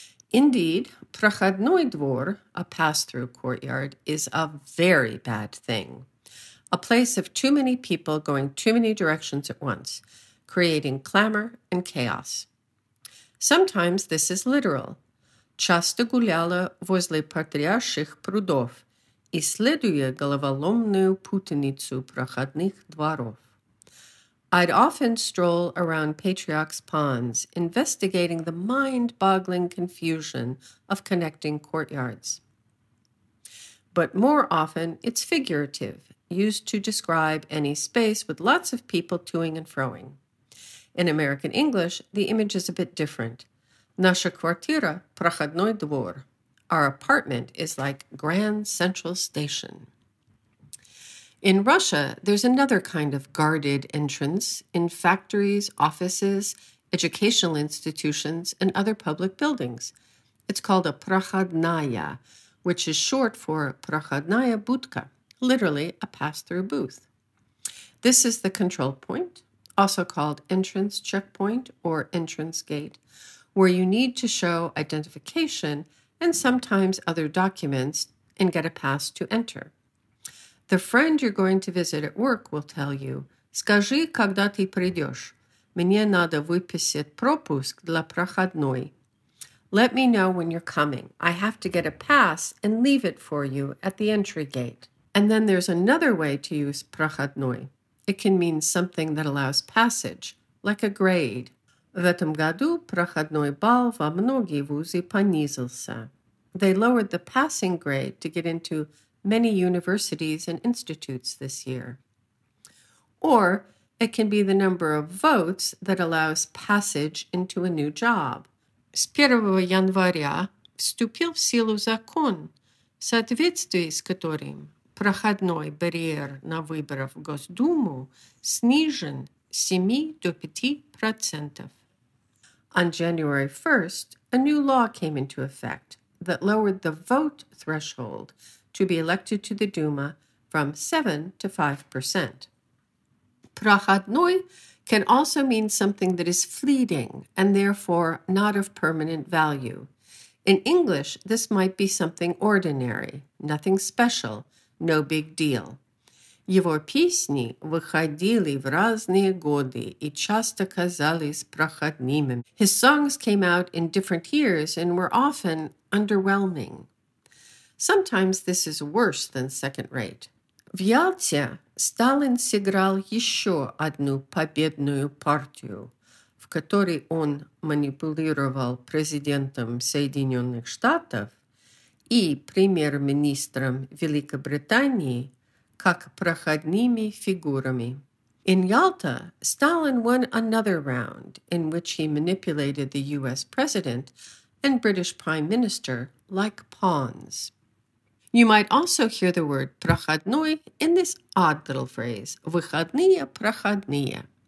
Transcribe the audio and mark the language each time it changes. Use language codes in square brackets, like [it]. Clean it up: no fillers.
[en] Indeed, prokhodnoy dvor, a pass-through courtyard, is a very bad thing. A place of too many people going too many directions at once, creating clamor and chaos. Sometimes this is literal. [ru] Часто гуляла возле патриарших прудов, исследуя головоломную путаницу проходных дворов. [en] I'd often stroll around Patriarch's ponds, investigating the mind-boggling confusion of connecting courtyards. But more often, it's figurative, used to describe any space with lots of people to-ing and fro-ing. In American English, the image is a bit different. [ru] Наша квартира – проходной двор. [en] Our apartment is like Grand Central Station. In Russia, there's another kind of guarded entrance in factories, offices, educational institutions, and other public buildings. It's called a prokhodnaya, which is short for prokhodnaya budka, literally a pass-through booth. This is the control point, also called entrance checkpoint or entrance gate, where you need to show identification and sometimes other documents, and get a pass to enter. The friend you're going to visit at work will tell you, [ru] «Скажи, когда ты придешь. Мне надо выписать пропуск для проходной». [en] Let me know when you're coming. I have to get a pass and leave it for you at the entry gate. And then there's another way to use проходной. It can mean something that allows passage, like a grade. [ru] В этом году проходной балл во многие вузы понизился. [en] They lowered the passing grade to get into many universities and institutes this year. Or it can be the number of votes that allows passage into a new job. [ru] С 1 января вступил в силу закон, в соответствии с которым проходной барьер на выборы в Госдуму снижен с 7 до 5%. [en] On January 1st, a new law came into effect that lowered the vote threshold to be elected to the Duma from 7 to 5%. Prokhodnoy can also mean something that is fleeting and therefore not of permanent value. In English, this might be something ordinary, nothing special, no big deal. [ru] Его песни выходили в разные годы и часто казались проходными. [en] His songs came out in different years and were often underwhelming. Sometimes this is worse than second rate. [ru] В Ялте Сталин сыграл еще одну победную партию, в которой он манипулировал президентом Соединенных Штатов и премьер-министром Великобритании как проходными фигурами. [en] In Yalta, Stalin won another round in which he manipulated the U.S. president and British prime minister like pawns. You might also hear the word «проходной» in this odd little phrase, [ru] «выходные проходные».